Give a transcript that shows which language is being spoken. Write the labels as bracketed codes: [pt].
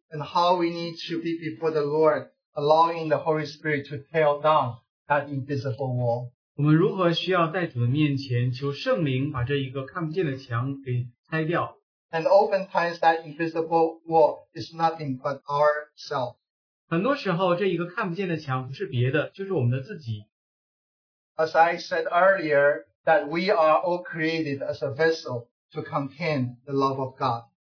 [en] And how we need to be before the Lord, allowing the Holy Spirit to tear down that invisible wall. [zh] 我们如何需要在主的面前求圣灵把这一个看不见的墙给拆掉？ [en] And oftentimes that invisible wall is nothing but ourself. [zh] 很多时候这一个看不见的墙不是别的，就是我们的自己。 [en] As I said earlier, that we are all created as a vessel to contain the love of God.